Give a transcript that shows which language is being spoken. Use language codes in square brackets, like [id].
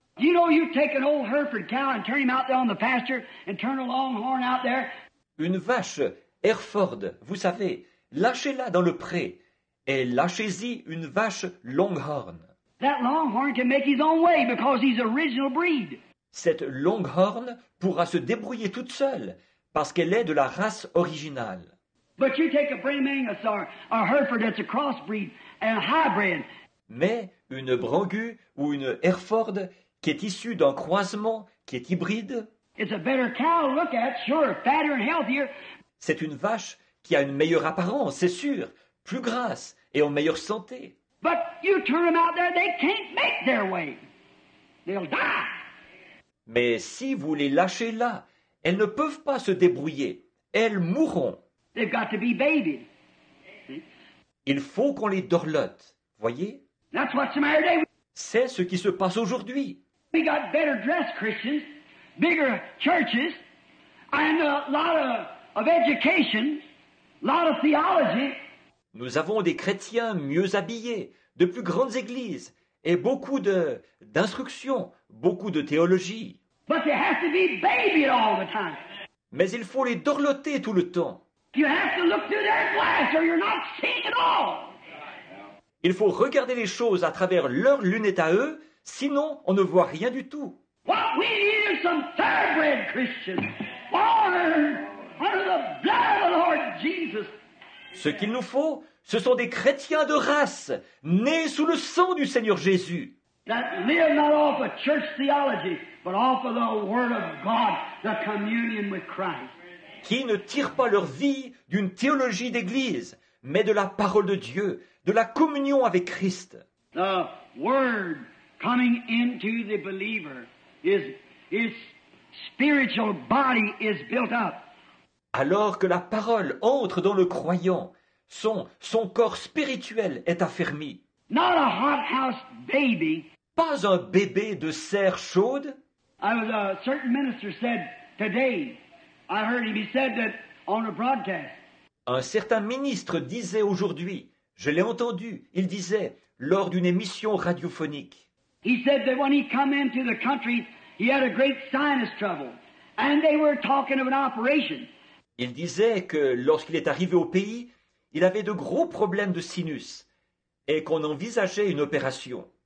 [en] You know, you take an old Hereford cow and turn him out there on the pasture and turn a longhorn out there. [fr] Une vache Hereford, vous savez, lâchez-la dans le pré et lâchez-y une vache longhorn. [en] That longhorn can make his own way because he's original breed. [fr] Cette longhorn pourra se débrouiller toute seule parce qu'elle est de la race originale. [en] But you take a Bream Angus or Hereford that's a crossbreed and a hybrid. [fr] Mais une Brangus ou une Hereford qui est issu d'un croisement, qui est hybride. [en] It's a better cow to look at, sure, fatter and healthier. [fr] C'est une vache qui a une meilleure apparence, c'est sûr, plus grasse et en meilleure santé. [en] But you turn them out there, they can't make their way. They'll die. [fr] Mais si vous les lâchez là, elles ne peuvent pas se débrouiller. Elles mourront. [en] They've got to be babied. [fr] Il faut qu'on les dorlote, voyez. [en] That's what's the matter today. [fr] C'est ce qui se passe aujourd'hui. [en] We got better dressed Christians, bigger churches, and a lot of education, a lot of theology. [fr] Nous avons des chrétiens mieux habillés, de plus grandes églises, et beaucoup d'instruction, beaucoup de théologie. [en] But they have to be babied all the time. [fr] Mais il faut les dorloter tout le temps. [en] You have to look through their glass or you're not seeing at all. [fr] Il faut regarder les choses à travers leur lunette à eux, sinon on ne voit rien du tout. [en] What we need is some thoroughbred Christians, born under the blood of the Lord Jesus. [fr] Ce qu'il nous faut, ce sont des chrétiens de race, nés sous le sang du Seigneur Jésus. [en] That live not off of church theology, but off of the Word of God, the communion with Christ. [fr] Qui ne tirent pas leur vie d'une théologie d'église, mais de la parole de Dieu, de la communion avec Christ. [en] The word coming into the believer is his spiritual body is built up. [fr] Alors que la parole entre dans le croyant, son corps spirituel est affermi. [en] Not a hot house baby. [fr] Pas un bébé de serre chaude. [en] A certain minister said today, I heard him, he said that on a broadcast. [fr] Un certain ministre disait aujourd'hui, je l'ai entendu, il disait, lors d'une émission radiophonique. [en] He said that when he came into the country, he had a great sinus trouble. And they were talking of an operation. [fr] Il disait que lorsqu'il est arrivé au pays, il avait de gros problèmes de sinus et qu'on envisageait une opération.